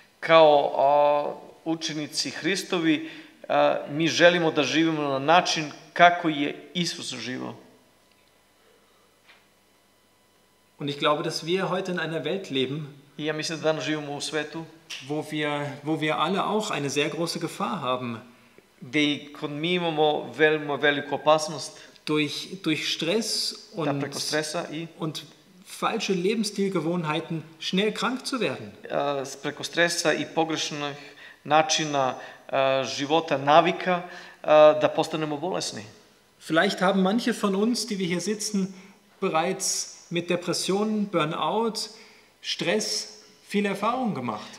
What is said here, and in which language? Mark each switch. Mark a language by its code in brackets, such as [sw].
[sr] Kao učenici Hristovi, mi želimo da živimo na način kako je Isus živo. [de] Und ich glaube, dass wir heute in einer Welt leben, [sr] ja mislim da danas živimo u svetu, [de] wo wir alle auch eine sehr große Gefahr haben, [sr] gde i kod mi imamo veoma veliku opasnost, [de] durch Stress und [sr] da preko stresa i [de] und falsche Lebensstilgewohnheiten schnell krank zu werden. [sr] Preko stresa i pogrešnih načina života, navika, da postanemo bolesni. [de] Vielleicht haben manche von uns, die wir hier sitzen, bereits mit Depressionen, Burnout, Stress viel Erfahrung gemacht.